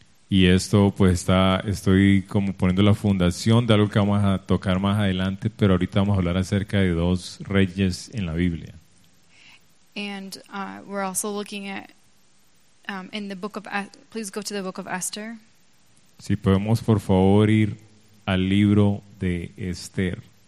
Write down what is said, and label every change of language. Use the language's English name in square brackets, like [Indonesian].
[Spanish] Y esto pues estoy como poniendo la fundación de algo que vamos a tocar más adelante, pero ahorita vamos a hablar acerca de dos reyes en la Biblia. [English] And we're also looking at in the book of please go to the book of Esther. [Spanish] Si podemos por favor ir al libro de Esther.